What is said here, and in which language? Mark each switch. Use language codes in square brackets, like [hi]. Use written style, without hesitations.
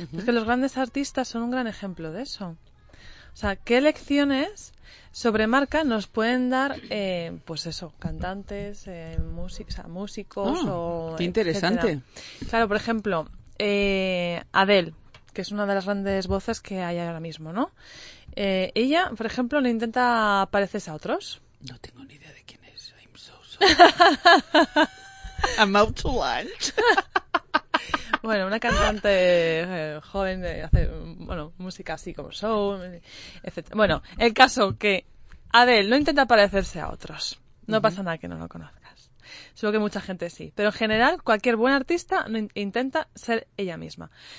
[es] Es que los grandes artistas son un gran ejemplo de eso. O sea, ¿qué lecciones sobre marca nos pueden dar, pues eso, cantantes, músicos o qué interesante. Etcétera? Claro, por ejemplo, Adele, que es una de las grandes voces que hay ahora mismo, ¿no? Ella, por ejemplo, no intenta parecerse a otros. No tengo ni idea de quién es. [en] I'm so sorry. I'm out to lunch. [es] Bueno, una cantante joven, hace, bueno, música así como show, etc. Bueno, el caso que Adele no intenta parecerse a otros. No uh-huh. pasa nada que no lo conozcas. Supongo que mucha gente sí. Pero en general, cualquier buen artista intenta ser ella misma.